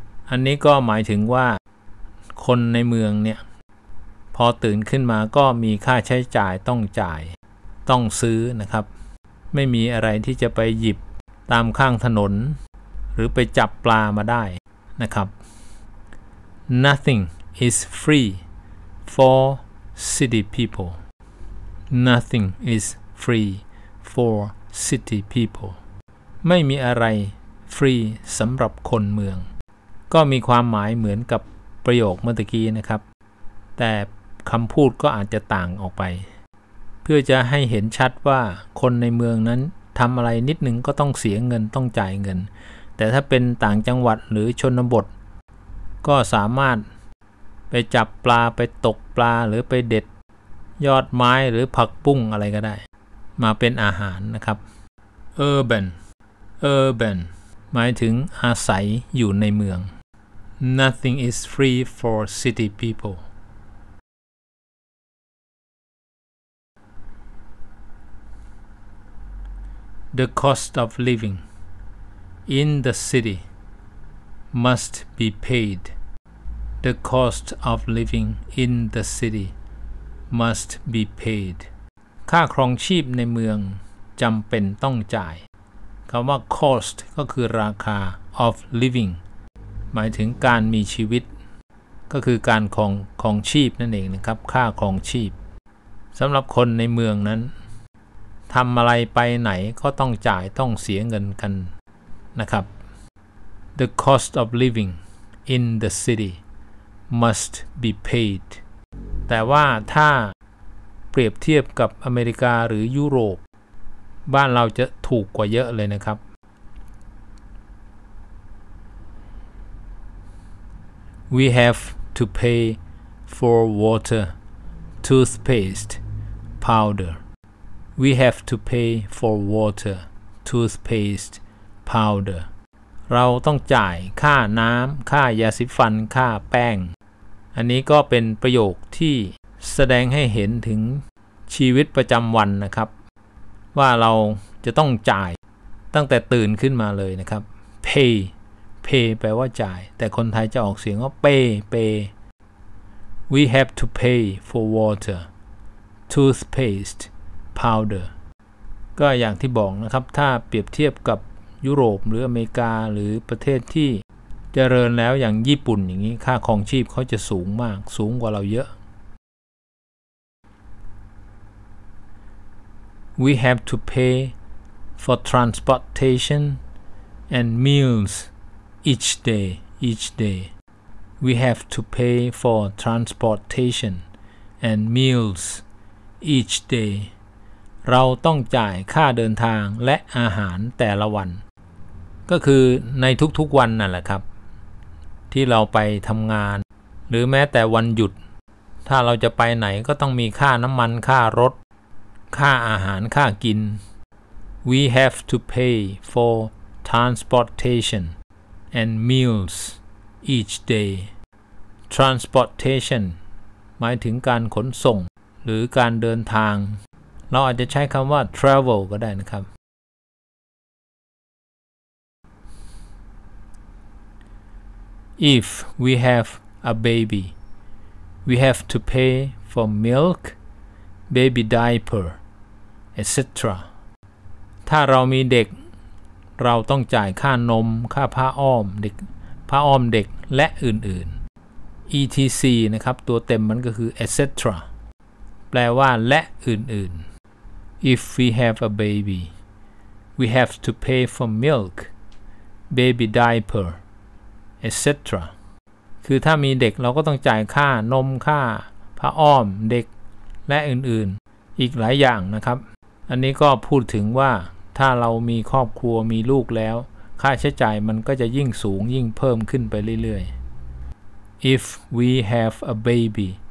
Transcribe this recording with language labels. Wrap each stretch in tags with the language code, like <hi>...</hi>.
<th>อันนี้ก็หมายถึงว่าคนในเมืองเนี่ยพอตื่นขึ้นมาก็มีค่าใช้จ่ายต้องจ่ายต้องซื้อนะครับไม่มีอะไรที่จะไปหยิบตามข้างถนนหรือไปจับปลามาได้นะครับ</th> <en>Nothing is free for city people. Nothing is free for city people.</en> <th>ไม่มีอะไรฟรีสำหรับคนเมืองก็มีความหมายเหมือนกับประโยคเมื่อกี้นะครับแต่คำพูดก็อาจจะต่างออกไป เพื่อจะให้เห็นชัดว่าคนในเมืองนั้นทำอะไรนิดหนึ่งก็ต้องเสียเงินต้องจ่ายเงินแต่ถ้าเป็นต่างจังหวัดหรือชนบทก็สามารถไปจับปลาไปตกปลาหรือไปเด็ดยอดไม้หรือผักปุ้งอะไรก็ได้มาเป็นอาหารนะครับ Urban หมายถึงอาศัยอยู่ในเมือง</th> <en>Nothing is free for city people. The cost of living in the city must be paid. The cost of living in the city must be paid.</en> <th>ค่าครองชีพในเมืองจำเป็นต้องจ่ายคำว่า cost ก็คือราคา of livingหมายถึงการมีชีวิตก็คือการของชีพนั่นเองนะครับค่าของชีพสำหรับคนในเมืองนั้นทำอะไรไปไหนก็ต้องจ่ายต้องเสียเงินกันนะครับ</th> <en>The cost of living in the city must be paid</en> <th>แต่ว่าถ้าเปรียบเทียบกับอเมริกาหรือยุโรปบ้านเราจะถูกกว่าเยอะเลยนะครับ</th> <en>We have to pay for water, toothpaste, powder. We have to pay for water, toothpaste, powder.</en> <th>เราต้องจ่ายค่าน้ำค่ายาสีฟันค่าแป้งอันนี้ก็เป็นประโยคที่แสดงให้เห็นถึงชีวิตประจำวันนะครับว่าเราจะต้องจ่ายตั้งแต่ตื่นขึ้นมาเลยนะครับ Pay แปลว่าจ่ายแต่คนไทยจะออกเสียงว่าเป</th> <en>We have to pay for water, toothpaste, powder.</en> <th>ก็อย่างที่บอกนะครับถ้าเปรียบเทียบกับยุโรปหรืออเมริกาหรือประเทศที่เจริญแล้วอย่างญี่ปุ่นอย่างนี้ค่าครองชีพเขาจะสูงมากสูงกว่าเราเยอะ</th> <en>We have to pay for transportation and meals. Each day, we have to pay for transportation and meals each day.</en> <th>เราต้องจ่ายค่าเดินทางและอาหารแต่ละวันก็คือในทุกๆวันนั่นแหละครับที่เราไปทำงานหรือแม้แต่วันหยุดถ้าเราจะไปไหนก็ต้องมีค่าน้ำมันค่ารถค่าอาหารค่ากิน</th> <en>We have to pay for transportationand meals each day.</en> <th>Transportation หมายถึงการขนส่งหรือการเดินทางเราอาจจะใช้คำว่า travel ก็ได้นะครับ</th> <en>If we have a baby, we have to pay for milk, baby diaper, etc.</en> <th>ถ้าเรามีเด็กเราต้องจ่ายค่านมค่าผ้าอ้อมเด็กผ้าอ้อมเด็กและอื่นๆ etc นะครับตัวเต็มมันก็คือ etc แปลว่าและอื่น</th> <en>ๆ If we have a baby we have to pay for milk baby diaper etc.</en> <th>คือถ้ามีเด็กเราก็ต้องจ่ายค่านมค่าผ้าอ้อมเด็กและอื่นๆอีกหลายอย่างนะครับอันนี้ก็พูดถึงว่าถ้าเรามีครอบครัวมีลูกแล้วค่าใช้จ่ายมันก็จะยิ่งสูงยิ่งเพิ่มขึ้นไปเรื่อยๆ</th> <en>If we have a baby</en>